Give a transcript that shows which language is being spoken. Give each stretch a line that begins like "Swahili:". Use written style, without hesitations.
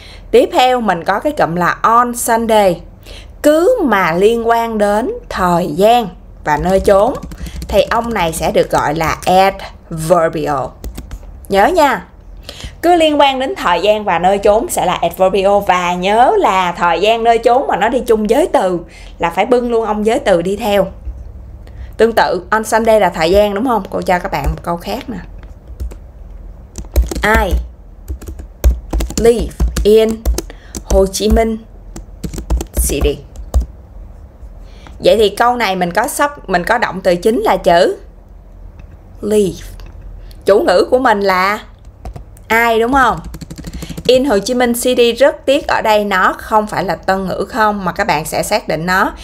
Vietnamese: Tiếp theo mình có cái cụm là
English: on Sunday.
Vietnamese: Cứ mà liên quan đến thời gian và nơi chốn thì ông này sẽ được gọi là adverbial. Nhớ nha. Cứ liên quan đến thời gian và nơi chốn sẽ là adverbial. Và nhớ là thời gian nơi chốn mà nó đi chung giới từ là phải bưng luôn ông giới từ đi theo. Tương tự, on Sunday là thời gian đúng không? Cô cho các bạn một câu khác nè.
English: I live in Ho Chi Minh City.
Vietnamese: Vậy thì câu này mình có động từ chính là chữ live. Chủ ngữ của mình là ai đúng không?
English: In Ho Chi Minh City,
Vietnamese: rất tiếc ở đây nó không phải là tân ngữ không, mà các bạn sẽ xác định nó.